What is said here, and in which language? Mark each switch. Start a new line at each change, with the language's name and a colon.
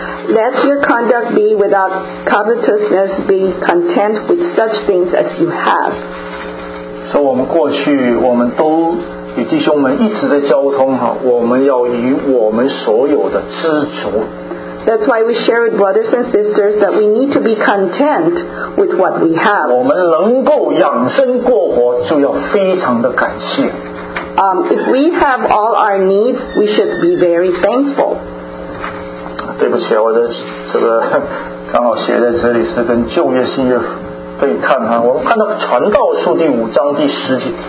English: Let your conduct be without covetousness, be content with such things as you have.
Chinese: So 我们过去我们都与弟兄们一直在交通哈，我们要以我们所有的知足。
English: That's why we share with brothers and sisters that we need to be content with what we have.
Chinese: 我们能够养生过活，就要非常的感谢。
English: If we have all our needs, we should be very thankful.
Chinese: 对不起，我的这个刚好写在这里是跟旧约新约对看哈，我看到传道书第5章第10节。